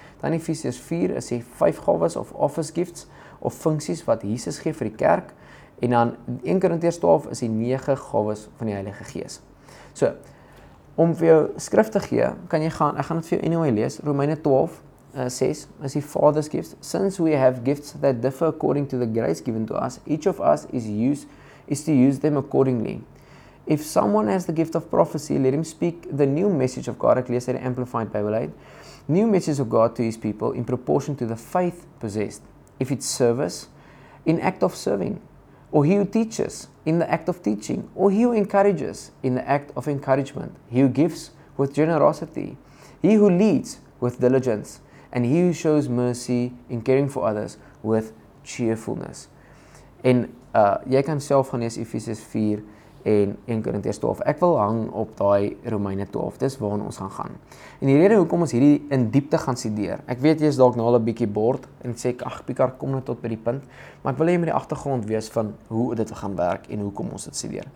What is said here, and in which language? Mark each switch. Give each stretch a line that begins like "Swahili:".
Afrikaans: Dan Efesiërs 4 is die 5 gawes of
English: office gifts
Afrikaans: of funksies wat Jesus gee vir die kerk. En dan 1 Korintiërs 12 is die 9 gawes van die Heilige Gees. So, om vir jou skrif te gee, kan jy gaan, ek gaan het vir jou anyway lees, Romeine 12, 6, is die
English: Father's gifts. Since we have gifts that differ according to the grace given to us, each of us is to use them accordingly. If someone has the gift of prophecy, let him speak the new message of God,
Afrikaans: ek lees uit die Amplified Bible 8,
English: new message of God to his people in proportion to the faith possessed. If it's service, in act of serving. Or he who teaches, in the act of teaching. Or he who encourages, in the act of encouragement. He who gives, with generosity. He who leads, with diligence. And he who shows mercy in caring for others, with cheerfulness.
Afrikaans: En jy kan self gaan lees Efesiërs 4 en 1 Korintiërs 12. Ek wil hang op daai Romeine 12, dis waarin ons gaan gaan. En die rede hoekom ons hierdie in diepte gaan studeer, ek weet jy is dalk nou al 'n bietjie bored en sê ag Pikaar kom nou tot by die punt, maar ek wil jy met die agtergrond wees van hoe dit gaan werk en hoekom ons dit studeer.